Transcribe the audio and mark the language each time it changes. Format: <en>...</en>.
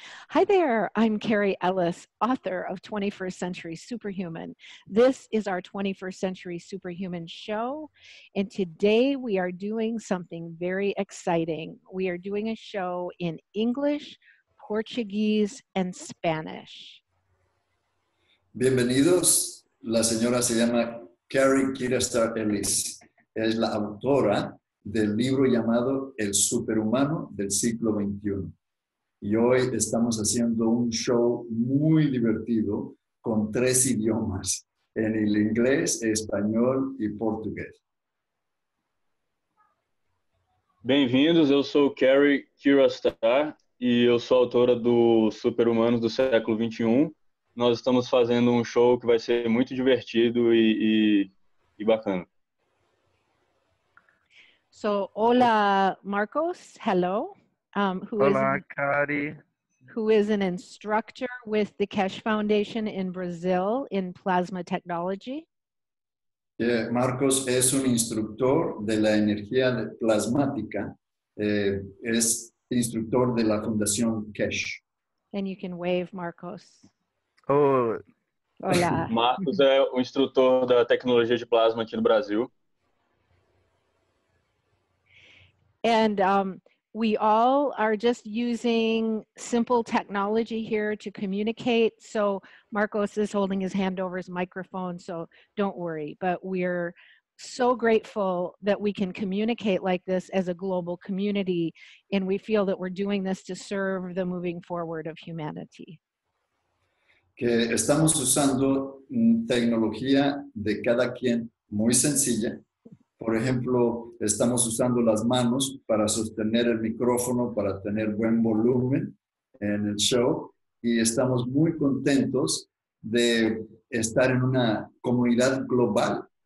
<en>Hi there, I'm Carrie Ellis, author of 21st Century Superhuman. This is our 21st Century Superhuman show, and today we are doing something very exciting. We are doing a show in English, Portuguese, and Spanish.</en> <es>Bienvenidos, la señora se llama Carrie Kirsten Ellis. Es la autora del libro llamado El Superhumano del Siglo XXI. Y hoy estamos haciendo un show muy divertido con tres idiomas, en el inglés, español y portugués.</es> <pt>Bem-vindos, eu sou Carrie Kirastar e eu sou autora do Superhumanos do Século XXI. Nós estamos fazendo um show que vai ser muito divertido e bacana.</pt> <en>So,</en> <es>hola</es> <en>Marcos, hello.</en> <es>Hola, Kari.</es> <en>Who is an instructor with the Keshe Foundation in Brazil in plasma technology.</en> <es>Yeah, Marcos es un instructor de la energía plasmática. Es instructor de la Fundación Keshe.</es> <en>And you can wave, Marcos. Oh.</en> <es>Hola.</es> <pt>Marcos é o instrutor da tecnologia de plasma aqui no Brasil.</pt> <en>And we all are just using simple technology here to communicate. So Marcos is holding his hand over his microphone, so don't worry. But we're so grateful that we can communicate like this as a global community. And we feel that we're doing this to serve the moving forward of humanity.</en> <es>Que estamos usando tecnología de cada quien muy sencilla. Por ejemplo, estamos usando las manos para sostener el micrófono, para tener buen volumen en el show. Y estamos muy contentos de estar en una comunidad global.</es>